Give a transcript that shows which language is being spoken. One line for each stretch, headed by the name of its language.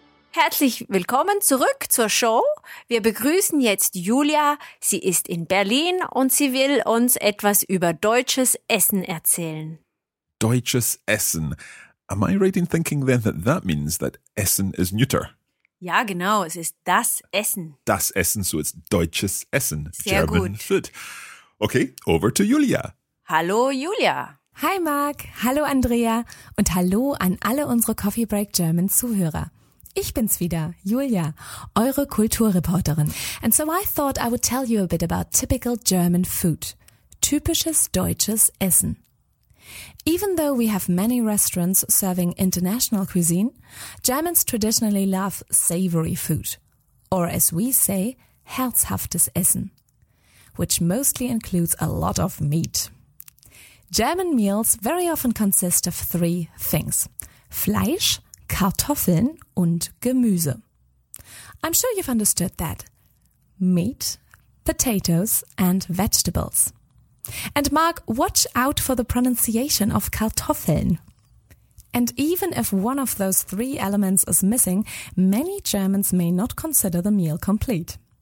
German: Herzlich willkommen zurück zur Show. Wir begrüßen jetzt Julia. Sie ist in Berlin und sie will uns etwas über deutsches Essen erzählen. Deutsches Essen.
English: Am I right in thinking then that that means that Essen is neuter?
German: Ja, genau. Es ist das Essen. Das Essen,
English: so it's
German: deutsches Essen. Sehr
English: German
German: gut.
English: Food. Okay, over to Julia.
German: Hallo Julia. Hi Marc, hallo Andrea und hallo an alle unsere Coffee Break German Zuhörer. Ich bin's wieder, Julia, eure Kulturreporterin.
English: And so I thought I would tell you a bit about typical German food.
German: Typisches deutsches Essen.
English: Even though we have many restaurants serving international cuisine, Germans traditionally love savory food. Or as we say,
German: herzhaftes Essen.
English: Which mostly includes a lot of meat. German meals very often consist of three things.
German: Fleisch, Kartoffeln und Gemüse.
English: I'm sure you've understood that. Meat, potatoes and vegetables. And Mark, watch out for the pronunciation of Kartoffeln. And even if one of those three elements is missing, many Germans may not consider the meal complete.